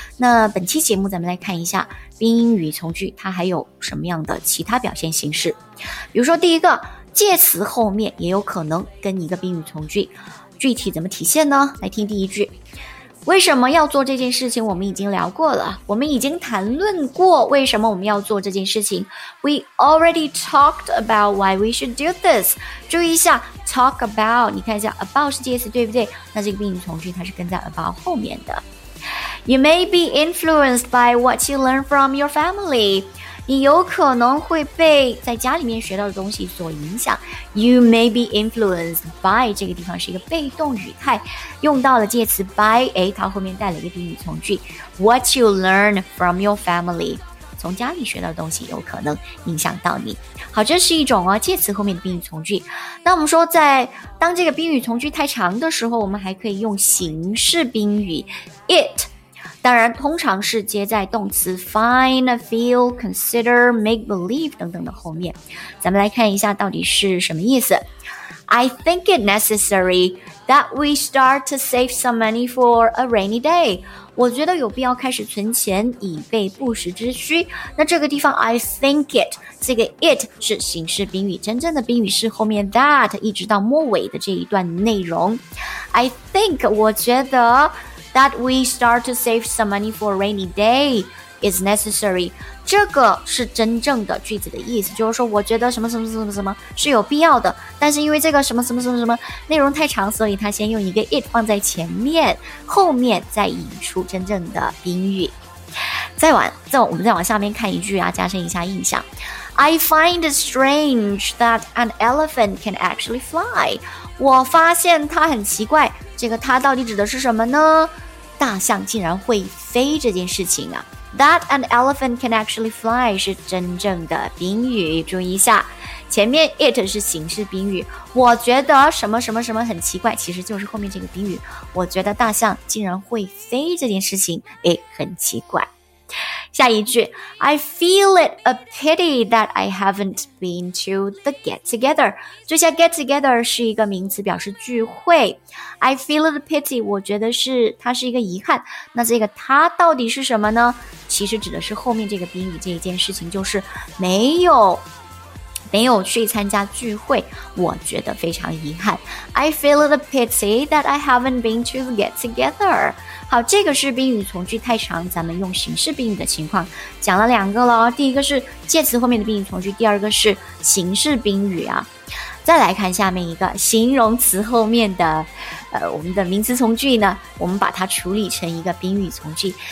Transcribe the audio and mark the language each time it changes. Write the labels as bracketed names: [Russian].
[Chinese] 那本期节目咱们来看一下宾语从句它还有什么样的其他表现形式。比如说第一个，介词后面也有可能跟一个宾语从句，具体怎么体现呢？来听第一句，为什么要做这件事情？我们已经聊过了，我们已经谈论过为什么我们要做这件事情。 [English] We already talked about why we should do this. [Chinese] 注意一下 talk about， 你看一下 about 是介词对不对，那这个宾语从句它是跟在 about 后面的。 [English] You may be influenced by what you learn from your family. [Chinese] 你有可能会被在家里面学到的东西所影响。 [English] You may be influenced by [Chinese] 这个地方是一个被动语态，用到了介词 by， 诶，它后面带了一个宾语从句， [English] What you learn from your family， [Chinese] 从家里学到的东西有可能影响到你。好，这是一种哦，介词后面的宾语从句。那我们说在当这个宾语从句太长的时候，我们还可以用形式宾语 it，当然通常是接在动词 find, feel, consider, make believe 等等的后面。咱们来看一下到底是什么意思。 [English] I think it necessary that we start to save some money for a rainy day. [Chinese] 我觉得有必要开始存钱以备不时之需。那这个地方 [English] I think it， [Chinese] 这个 it 是形式宾语，真正的宾语是后面 that 一直到末尾的这一段内容。 [English] I think [Chinese] 我觉得 [English] That we start to save some money for a rainy day is necessary. [Chinese] 这个是真正的句子的意思，就是说我觉得什么什么什么什么是有必要的，但是因为这个什么什么什么什么内容太长，所以他先用一个 it 放在前面，后面再引出真正的宾语。再往下面看一句啊，加深一下印象。 [English] I find it strange that an elephant can actually fly. [Chinese] 我发现它很奇怪，这个它到底指的是什么呢？大象竟然会飞这件事情啊。 [English] That an elephant can actually fly [Chinese] 是真正的宾语，注意一下，前面 it 是形式宾语，我觉得什么什么什么很奇怪，其实就是后面这个宾语，我觉得大象竟然会飞这件事情，诶，很奇怪。下一句 [English] I feel it a pity that I haven't been to the get together. [Chinese] 这下 get together 是一个名词表示聚会。 [English] I feel it a pity， [Chinese] 我觉得是它是一个遗憾。那这个它到底是什么呢？其实指的是后面这个宾语这一件事情，就是没有去参加聚会，我觉得非常遗憾。 [English] I feel it a pity that I haven't been to the get together. [Chinese] 好，这个是宾语从句太长，咱们用形式宾语的情况讲了两个了。第一个是介词后面的宾语从句，第二个是形式宾语啊。再来看下面一个形容词后面的我们的名词从句呢，我们把它处理成一个宾语从句。